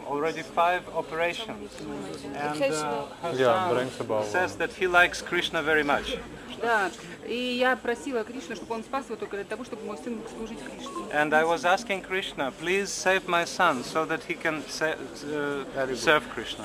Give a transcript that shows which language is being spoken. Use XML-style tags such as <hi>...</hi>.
<en>Already 5 operations, and her son says that he likes Krishna very much.</en> <ru>Да, и я просила Кришну, чтобы он спас его только для того, чтобы мой сын мог служить Кришне.</ru> <en>And I was asking Krishna, please save my son, so that he can serve Krishna.</en>